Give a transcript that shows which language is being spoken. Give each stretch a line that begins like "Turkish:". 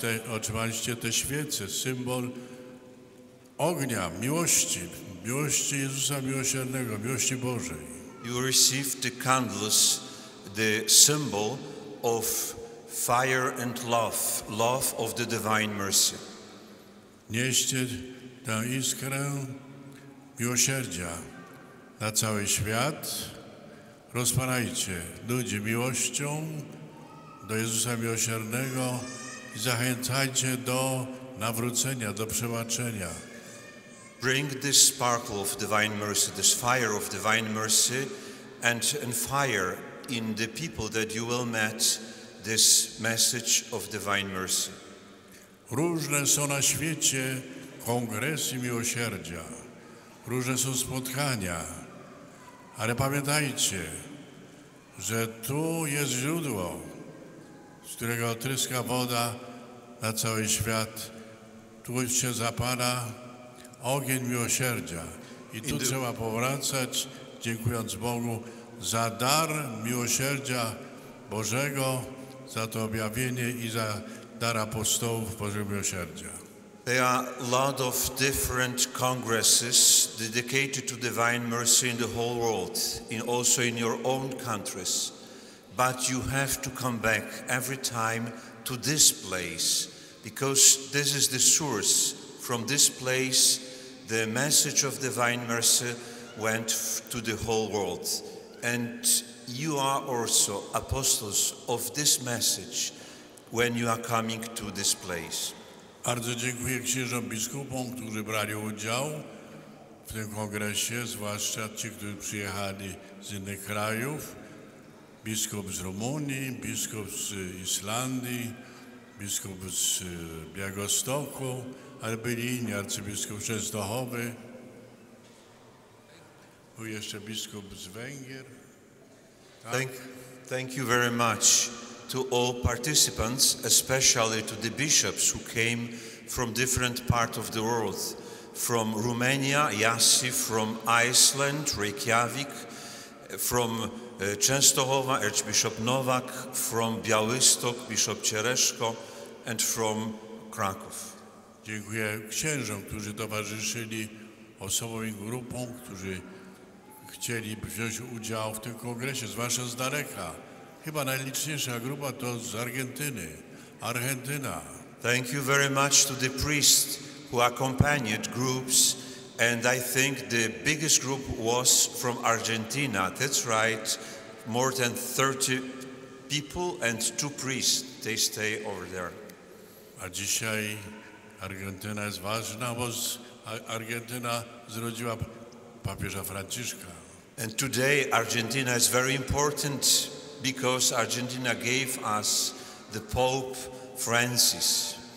Polish: Otrzymaliście te świece, symbol ognia, miłości, miłości Jezusa miłosiernego, miłości Bożej.
English: You received the candles, the symbol of fire and love, love of the divine mercy.
Polish: Nieście tę iskrę miłosierdzia na cały świat. Rozpalajcie ludzi miłością do Jezusa Miłosiernego i zachęcajcie do nawrócenia, do przebaczenia.
English: Bring this sparkle of divine mercy, this fire of divine mercy and fire in the people that you will meet this message of divine mercy.
Polish: Różne są na świecie kongresy miłosierdzia, różne są spotkania, ale pamiętajcie, że tu jest źródło, z którego tryska woda na cały świat. Tu się zapala ogień miłosierdzia. I tu trzeba powracać, dziękując Bogu, za dar miłosierdzia Bożego, za to objawienie i za dar apostołów Bożego Miłosierdzia.
English: There are a lot of different congresses dedicated to divine mercy in the whole world, in also in your own countries. But you have to come back every time to this place, because this is the source. From this place, the message of divine mercy went to the whole world. And you are also apostles of this message when you are coming to this place.
Polish: Bardzo dziękuję księżom biskupom, którzy brali udział w tym kongresie, zwłaszcza ci, którzy przyjechali z innych krajów, biskup z Rumunii, biskup z Islandii, biskup z Białegostoku, ale byli inni, arcybiskup Częstochowy, był jeszcze biskup z Węgier. Tak?
English: Thank you very much to all participants, especially to the bishops who came from different parts of the world, from Romania, Jasi, from Iceland, Reykjavik, from Częstochowa, Archbishop Novak, from Białystok, Bishop Ciereszko, and from Kraków.
Polish: Dziękuję księżom, którzy towarzyszyli osobom i grupom, którzy chcieli wziąć udział w tym kongresie, zwłaszcza z daleka. Chyba najliczniejsza grupa to z Argentyny, Argentyna.
English: Thank you very much to the priest who accompanied groups, and I think the biggest group was from Argentina. That's right, more than 30 people and two priests, they stay over there.
Polish: A dzisiaj Argentyna jest ważna, bo Argentyna zrodziła papieża Franciszka.
English: And today Argentina is very important because Argentina gave us the Pope Francis.